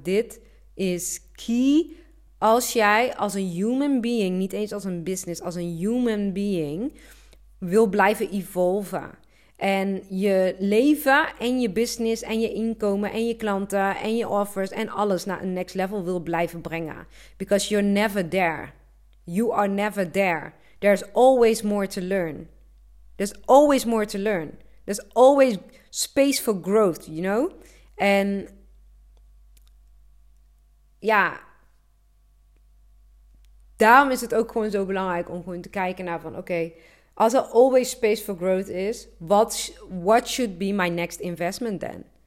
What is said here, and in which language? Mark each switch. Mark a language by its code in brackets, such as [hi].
[nl] Dit is key. Als jij als een human being, niet eens als een business, als een human being wil blijven evolven en je leven en je business en je inkomen en je klanten en je offers en alles naar een next level wil blijven brengen. [en] Because you're never there. You are never there. There's always more to learn. There's always more to learn. There's always space for growth, you know? [nl] En ja, daarom is het ook gewoon zo belangrijk om gewoon te kijken naar van, oké, als er always space for growth is, [en] what should be my next investment then?